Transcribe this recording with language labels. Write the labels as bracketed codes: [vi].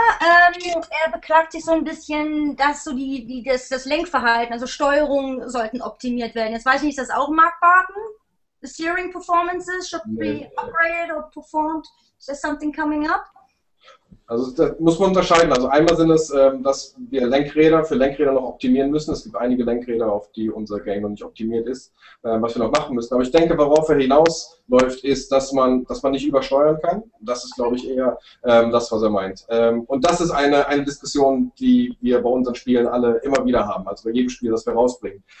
[de] Er beklagt sich so ein bisschen, dass so das Lenkverhalten, also Steuerung, sollten optimiert werden. Jetzt weiß ich nicht, ist das auch Mark Barton? [en] The steering performances should be upgraded or performed? Is there something coming up? [de] Also da muss man unterscheiden. Also einmal sind es, dass wir Lenkräder noch optimieren müssen. Es gibt einige Lenkräder, auf die unser Game noch nicht optimiert ist, was wir noch machen müssen. Aber ich denke, worauf er hinausläuft, ist, dass man nicht übersteuern kann. Das ist, glaube ich, eher das, was er meint. Und das ist eine Diskussion, die wir bei unseren Spielen alle immer wieder haben, also bei jedem Spiel, das wir rausbringen.